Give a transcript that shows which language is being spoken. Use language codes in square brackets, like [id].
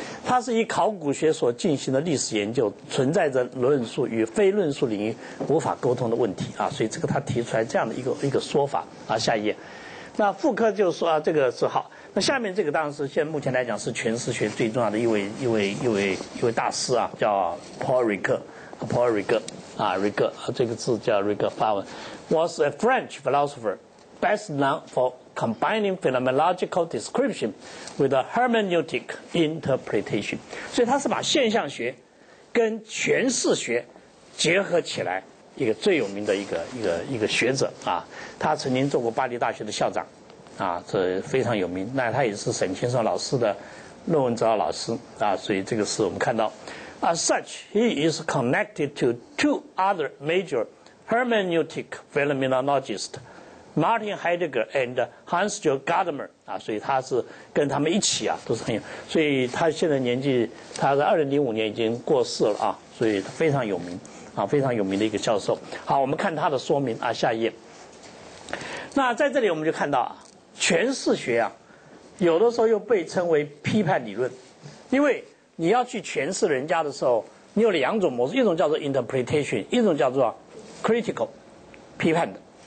[zh] 他是以考古学所进行的历史研究存在着论述与非论述领域无法沟通的问题啊。所以这个他提出来这样的一个说法啊。下一页。那傅科就说啊，这个是好。那下面这个当然是现在目前来讲是诠释学最重要的一位大师啊，叫 Paul Ricoeur 啊，这个字叫 Ricoeur 发文。 [en] was a French philosopher best known for combining phenomenological description with a hermeneutic interpretation。 [zh] 所以他是把现象学跟诠释学结合起来一个最有名的一个学者啊。他曾经做过巴黎大学的校长啊，这非常有名。那他也是沈清松老师的论文指导老师啊。所以这个是我们看到。 [en] As such, he is connected to two other major hermeneutic phenomenologists, Martin Heidegger and Hans-Jürg Gadamer. [zh] 啊，所以他是跟他们一起啊，都是很有。所以他现在年纪，他在2005年已经过世了啊，所以非常有名啊，非常有名的一个教授。好，我们看他的说明啊，下一页。那在这里我们就看到啊，诠释学啊，有的时候又被称为批判理论，因为你要去诠释人家的时候你有两种模式，一种叫做 interpretation， 一种叫做 critical， 批判的。